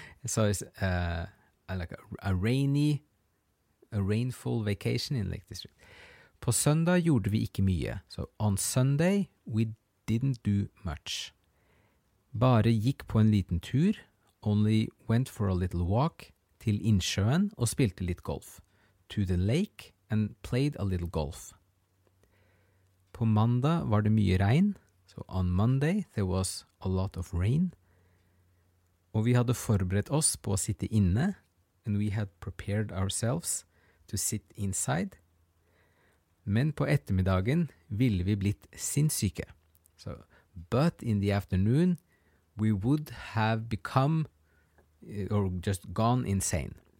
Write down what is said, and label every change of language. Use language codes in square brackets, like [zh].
[en] So it's a rainy... A rainful vacation in Lake District. [no] På søndag gjorde vi ikke mye. [en] So on Sunday, we didn't do much. [no] Bare gikk på en liten tur, [en] only went for a little walk, [no] til innsjøen og spilte litt golf. [en] To the lake and played a little golf. [no] På mandag var det mye regn. [en] So on Monday, there was a lot of rain. [no] Og vi hadde forberedt oss på å sitte inne, [en] and we had prepared ourselves to sit inside. [no] Men på eftermiddagen ville vi blitt sinnssyke. [en] So, but in the afternoon, we would have become or just gone insane.